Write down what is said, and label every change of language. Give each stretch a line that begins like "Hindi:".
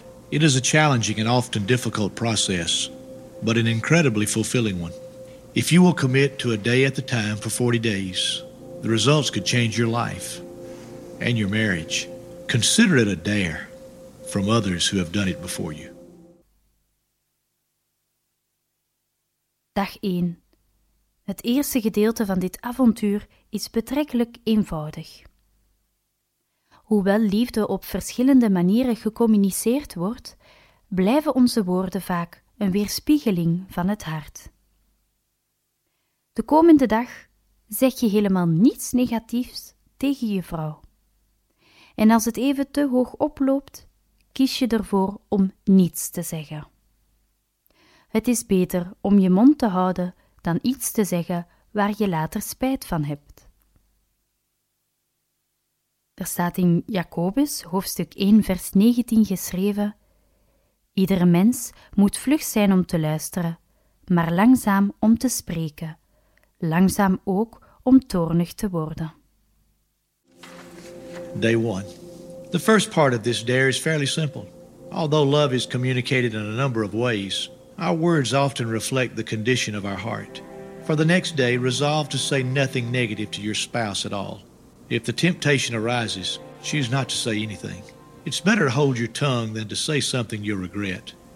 English: It is a challenging and often difficult process, but an incredibly fulfilling one. If you will commit to a day at a time for 40 days, the results could change your life and your marriage. Consider it a dare from others who have done it before you.
Dutch: Dag 1. Het eerste gedeelte van dit avontuur is betrekkelijk eenvoudig. Hoewel liefde op verschillende manieren gecommuniceerd wordt, blijven onze woorden vaak een weerspiegeling van het hart. De komende dag zeg je helemaal niets negatiefs tegen je vrouw. En als het even te hoog oploopt, kies je ervoor om niets te zeggen. Het is beter om je mond te houden dan iets te zeggen waar je later spijt van hebt. Er staat in Jacobus, hoofdstuk 1, vers 19 geschreven: iedere mens moet vlug zijn om te luisteren, maar langzaam om te spreken. Langzaam ook om toornig te worden.
English: Day 1. The first part of this dare is fairly simple. Although love is communicated in a number of ways, our words often reflect the condition of our heart. For the next day, resolve to say nothing negative to your spouse at all. If the temptation arises, choose not to say anything. It's better to hold your tongue than to say something you'll regret.